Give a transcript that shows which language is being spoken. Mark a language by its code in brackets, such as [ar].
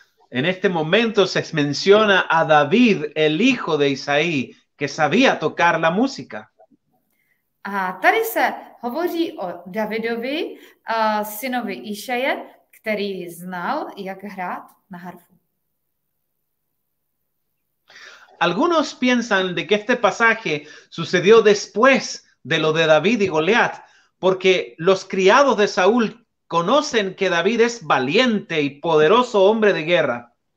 [es] En este momento se menciona a David, el hijo de Isaí, que sabía tocar la música. [cs] A tady se hovoří o Davidovi, synovi Išaje, který znal, jak hrát na harfu. [es] Algunos piensan de que este pasaje sucedió después de lo de David y Goliat, porque los criados de Saúl conocen que David es valiente y poderoso hombre de guerra.